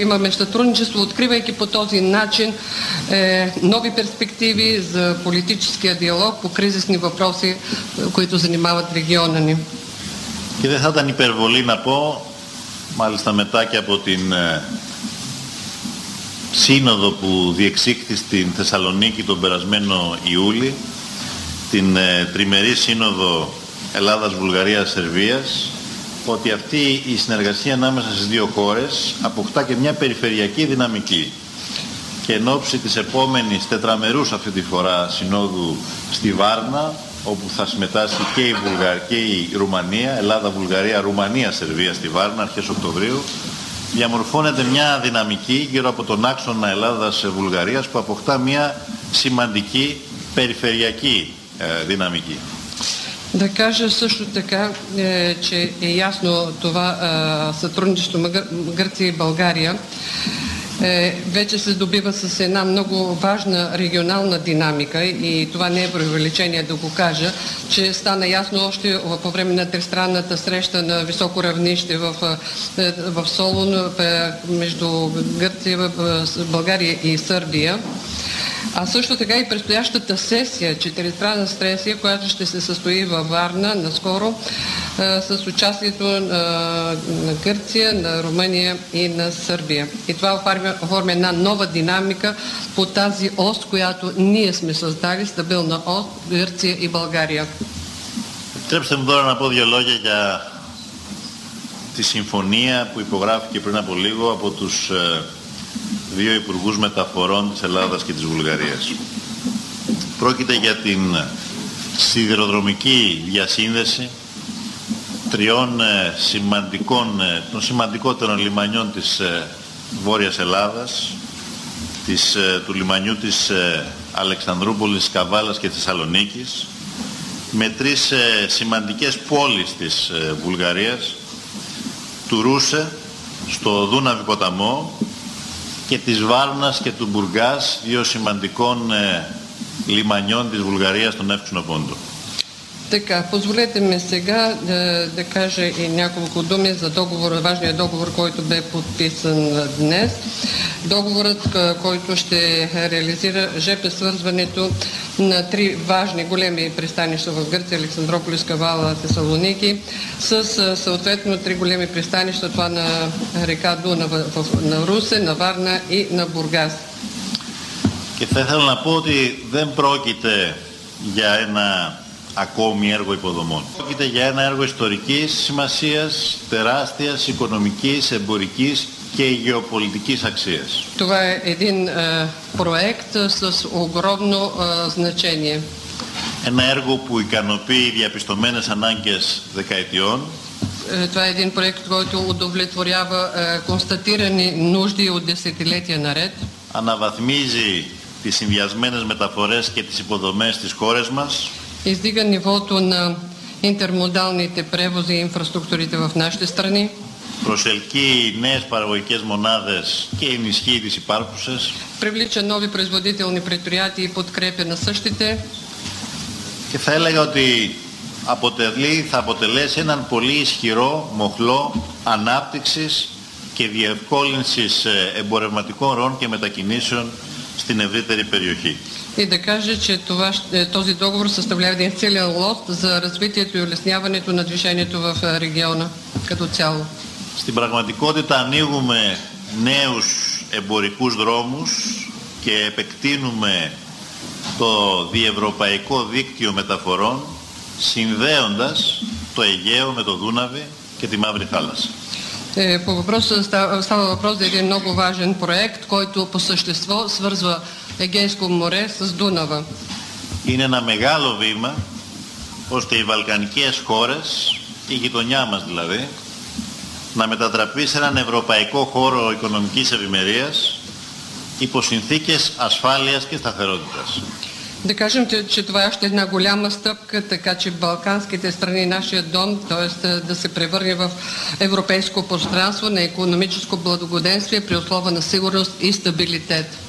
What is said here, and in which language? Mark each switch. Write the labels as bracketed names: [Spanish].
[Bulgarian] Имаме сътрудничество, откривайки по този начин нови перспективи за политическия диалог по кризисни въпроси, които занимават региона ни. [Greek] Και δεν θα ήταν υπερβολή να πω, μάλιστα μετά και από την σύνοδο που διεξήχθη στην Θεσσαλονίκη τον περασμένο Ιούλη, την τριμερή σύνοδο Ελλάδας-Βουλγαρίας-Σερβίας, ότι αυτή η συνεργασία ανάμεσα στις δύο χώρες αποκτά και μια περιφερειακή δυναμική. Και εν όψη της επόμενης τετραμερούς αυτή τη φορά συνόδου στη Βάρνα, όπου θα συμμετάσχει και η Βουλγαρία και η Ρουμανία, Ελλάδα-Βουλγαρία-Ρουμανία-Σερβία στη Βάρνα αρχές Οκτωβρίου, διαμορφώνεται μια δυναμική γύρω από τον άξονα Ελλάδας-Βουλγαρίας που αποκτά μια σημαντική περιφερειακή δυναμική. [Bulgarian] Да кажа също така, че е ясно това сътрудничество Гърция и България. Вече се добива с една много важна регионална динамика и това не е преувеличение да го кажа, че стана ясно още по време на тристранната среща на високо равнище в Солун между Гърция, България и Сърбия. А също така и предстоящата сесия, четиристранна сесия, която ще се състои във Варна наскоро, с участието на Гърция, на Румъния и на Сърбия. И това оформя една нова динамика по тази ос, която ние сме създали, стабилна ос, Гърция и България. Трябва да дойда на подиалоги за тази симфония, която [Greek] υπογράφηκε [Bulgarian] преди на по-лиго от [Greek] тους δύο υπουργούς μεταφορών της Ελλάδας και της Βουλγαρίας. Πρόκειται για την σιδηροδρομική διασύνδεση τριών σημαντικών, των σημαντικότερων λιμανιών της Βόρειας Ελλάδας, του λιμανιού της Αλεξανδρούπολης, Καβάλας και Θεσσαλονίκης, με τρεις σημαντικές πόλεις της Βουλγαρίας, του Ρούσε, στο Δούναβι ποταμό, και της Βάρνας και του Μπουργκάς, δύο σημαντικών λιμανιών της Βουλγαρίας στον Εύξεινο Πόντο. [Bulgarian] Така, позволете ме сега да кажа и няколко думи за договора, важния договор, който бе подписан днес. Договорът, който ще реализира ЖП свързването на три важни големи пристанища в Гърция, Александрополис, Кавала, Тесалоники, с съответно три големи пристанища, това на река Дунав на Русе, на Варна и на Бургас. [Greek] Και θα ήθελα να πω ότι δεν πρόκειται για ένα ακόμη έργο υποδομών. Πρόκειται για ένα έργο ιστορικής σημασίας, τεράστιας, οικονομικής, εμπορικής και γεωπολιτικής αξίας. [Bulgarian] Това е един проект с огромно значение. [Greek] Ένα έργο που ικανοποιεί διαπιστωμένες ανάγκες δεκαετιών. [Bulgarian] Това е един проект, който удовлетворява констатирани нужди от десетилетия наред. [Greek] Αναβαθμίζει τις συνδυασμένες μεταφορές και τις υποδομές της χώρας μας. [Bulgarian] Издига нивото на интермодалните превози и инфраструктурите в нашите страни. [Greek] Προσελκύει νέες παραγωγικές μονάδες και ενισχύει τις υπάρχουσες. [Bulgarian] Привлича нови производителни предприятия и подкрепя на същите. [Greek] Και θα έλεγα ότι θα αποτελέσει έναν πολύ ισχυρό μοχλό ανάπτυξης και διευκόλυνσης εμπορευματικών ροών και μετακινήσεων στην ευρύτερη περιοχή. [Bulgarian] И да кажа, че този договор съставлява един целен лост за развитието и улесняването на движението в региона като цяло. [Greek] Στην πραγματικότητα ανοίγουμε νέους εμπορικούς δρόμους και επεκτείνουμε το διευρωπαϊκό δίκτυο μεταφορών, συνδέοντας το Αιγαίο με το Δούναβι και τη Μαύρη Θάλασσα. [Bulgarian] По въпроса става въпрос за един много важен проект, който по същество свързва Егейско море с Дунава. [Greek] Είναι ένα μεγάλο βήμα, ώστε οι βαλκανικές χώρες, η γειτονιά μας δηλαδή, να μετατραπεί σε έναν ευρωπαϊκό χώρο οικονομικής ευημερίας, υπό συνθήκες ασφάλειας και σταθερότητας. [Bulgarian] Да кажем, че това е още една голяма стъпка, така че балканските страни, нашия дом, т.е. да се превърне в европейско пространство на икономическо благоденствие при условия на сигурност и стабилитет.